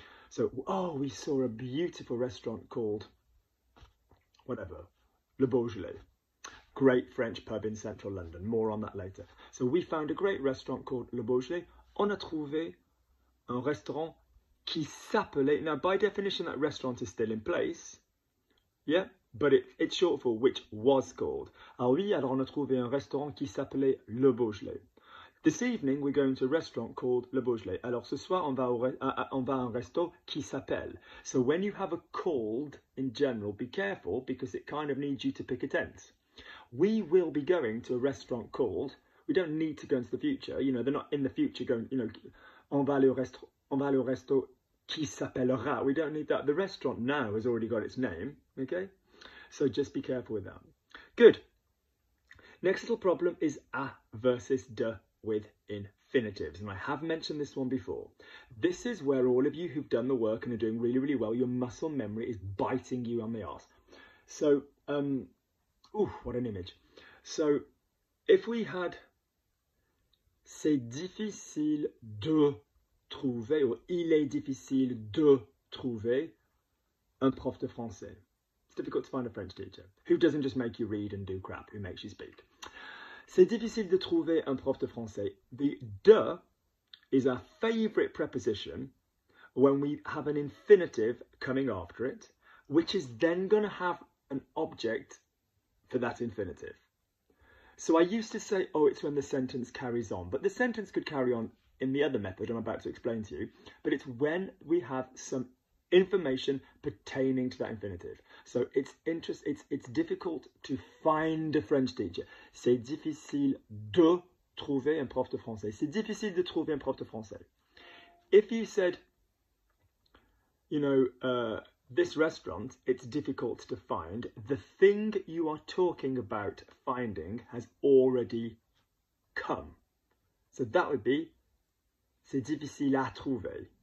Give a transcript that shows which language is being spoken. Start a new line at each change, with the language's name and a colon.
English: So, oh, we saw a beautiful restaurant called, whatever, Le Beaujolais. Great French pub in central London. More on that later. So we found a great restaurant called Le Beaujolais.
French: On a trouvé un restaurant qui s'appelait.
English: Now, by definition, that restaurant is still in place. Yeah. But it's short for which was called.
French: Ah oui, alors on a trouvé un restaurant qui s'appelait Le Beaujolais.
English: This evening, we're going to a restaurant called Le Beaujolais.
French: Alors ce soir, on va à un resto qui s'appelle.
English: So when you have a called in general, be careful because it kind of needs you to pick a tense. We will be going to a restaurant called. We don't need to go into the future. You know, they're not in the future going, you know,
French: on va aller au resto qui s'appellera.
English: We don't need that. The restaurant now has already got its name, okay? So just be careful with that. Good. Next little problem is a versus de with infinitives. And I have mentioned this one before. This is where all of you who've done the work and are doing really, really well, your muscle memory is biting you on the ass. So, ooh, what an image. So if we had,
French: c'est difficile de trouver,
English: or
French: il est difficile de trouver un prof de français.
English: Difficult to find a French teacher who doesn't just make you read and do crap, who makes you speak.
French: C'est difficile de trouver un prof de français.
English: The de is our favorite preposition when we have an infinitive coming after it, which is then going to have an object for that infinitive. So I used to say, oh, it's when the sentence carries on, but the sentence could carry on in the other method I'm about to explain to you, but it's when we have some information pertaining to that infinitive. So it's difficult to find a French teacher.
French: C'est difficile de trouver un prof de français. C'est difficile de trouver un prof de français.
English: If you said, you know, this restaurant, it's difficult to find, the thing you are talking about finding has already come. So that would be,
French: c'est difficile à trouver.